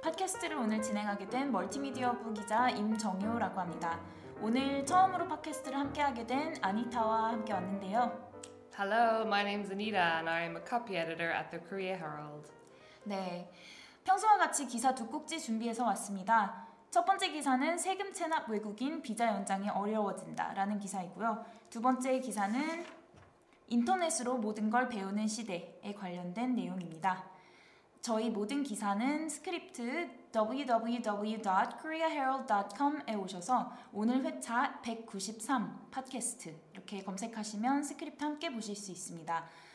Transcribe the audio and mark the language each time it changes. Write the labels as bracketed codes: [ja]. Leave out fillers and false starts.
[ko] 팟캐스트를 오늘 진행하게 된 멀티미디어부 기자 임정효라고 합니다. 오늘 처음으로 팟캐스트를 함께하게 된 아니타와 함께 왔는데요. [en] Hello, my name is Anita and I am a copy editor at the Korea Herald. [ko] 네, 평소와 같이 기사 두 꼭지 준비해서 왔습니다. 첫 번째 기사는 세금 체납 외국인 비자 연장이 어려워진다라는 기사이고요. 두 번째 기사는 인터넷으로 모든 걸 배우는 시대에 관련된 내용입니다. 저희 모든 기사는 스크립트 www.koreaherald.com에 오셔서 오늘 회차 193 팟캐스트 이렇게 검색하시면 스크립트 함께 보실 수 있습니다.